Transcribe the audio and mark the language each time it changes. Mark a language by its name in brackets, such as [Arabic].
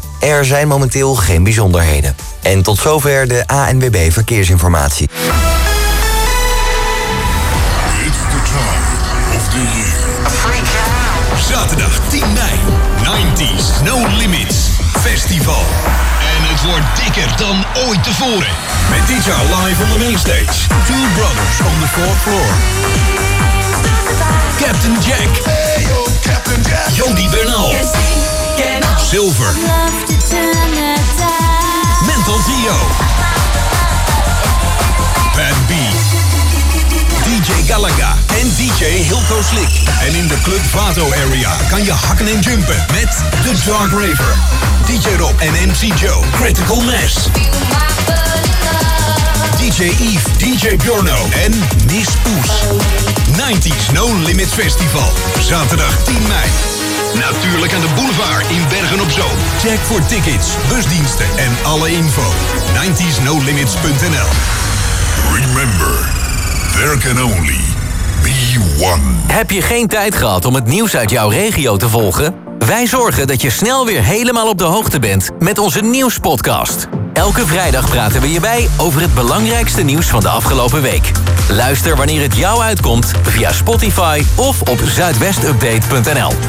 [Dutch] Er zijn momenteel geen bijzonderheden. En tot zover de ANWB verkeersinformatie. [English] It's the time of the year. [Dutch] Zaterdag 10 mei. 90's No Limits Festival. En het wordt dikker dan ooit tevoren. Met DJ [English] live on the mainstage. [Dutch] Two Brothers on the Fourth Floor. Captain Jack. [English] Hey yo, [Dutch] Captain Jack. Jody Bernal. Silver. Mental Dio. Bad B. DJ Galaga en DJ Hilco Slick. En in de Club Vato area kan je hakken en jumpen met The Dark Raver, DJ Rob en MC Joe, Critical Mass, DJ Eve, DJ Bjorno en Miss Poes. 90's No Limits Festival, zaterdag 10 mei. Natuurlijk aan de boulevard in Bergen-op-Zoom. Check voor tickets, busdiensten en alle info. 90snolimits.nl. [English] Remember, there can only be one. [Dutch] Heb je geen tijd gehad om het nieuws uit jouw regio te volgen? Wij zorgen dat je snel weer helemaal op de hoogte bent met onze nieuwspodcast. Elke vrijdag praten we je bij over het belangrijkste nieuws van de afgelopen week. Luister wanneer het jou uitkomt via Spotify of op zuidwestupdate.nl.